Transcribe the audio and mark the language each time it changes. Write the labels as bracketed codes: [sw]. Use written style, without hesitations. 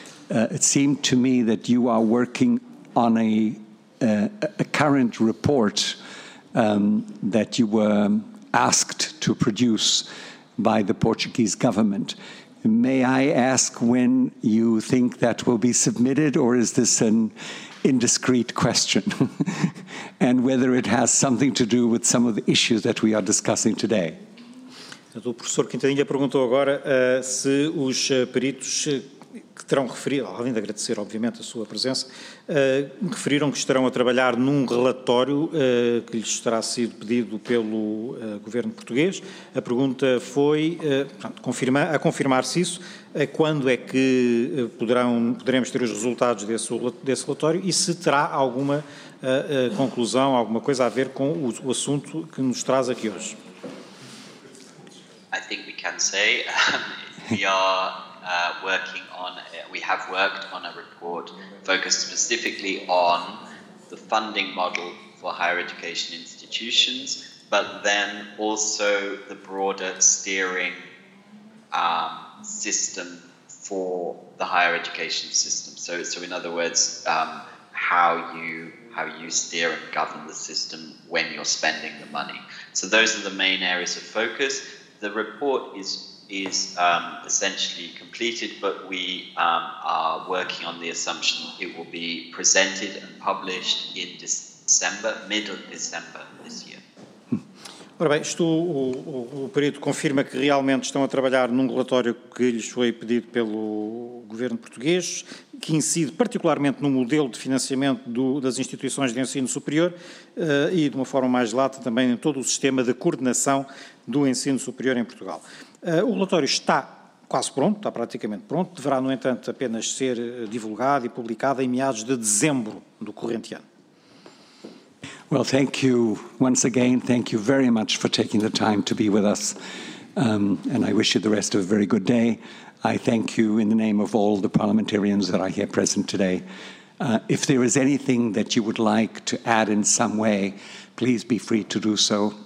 [en] It seemed to me that you are working on a current report that you were asked to produce by the Portuguese government. May I ask when you think that will be submitted, or is this an indiscreet question? And whether it has something to do with some of the issues that we are discussing today. [pt] O professor Quintanilha perguntou agora se os peritos que terão referido, além de agradecer obviamente a sua presença, referiram que estarão a trabalhar num relatório que lhes terá sido pedido pelo governo português. A pergunta foi, portanto, confirmar-se isso, quando é que poderemos ter os resultados desse relatório e se terá alguma conclusão, alguma coisa a ver com o assunto que nos traz aqui hoje. [en] I think we can say we are working on, we have worked on a report focused specifically on the funding model for higher education institutions, but then also the broader steering system for the higher education system. So in other words, how you steer and govern the system when you're spending the money. So those are the main areas of focus. The report is essentially completed, but we are working on the assumption it will be presented and published in December, middle of December this year. [pt] Ora bem, o perito confirma que realmente estão a trabalhar num relatório que lhes foi pedido pelo governo português, que incide particularmente no modelo de financiamento das instituições de ensino superior e, de uma forma mais lata, também em todo o sistema de coordenação do ensino superior em Portugal. O relatório está quase pronto, está praticamente pronto, deverá, no entanto, apenas ser divulgado e publicado em meados de dezembro do corrente ano. [en] Well, thank you once again. Thank you very much for taking the time to be with us. And I wish you the rest of a very good day. I thank you in the name of all the parliamentarians that are here present today. If there is anything that you would like to add in some way, please be free to do so.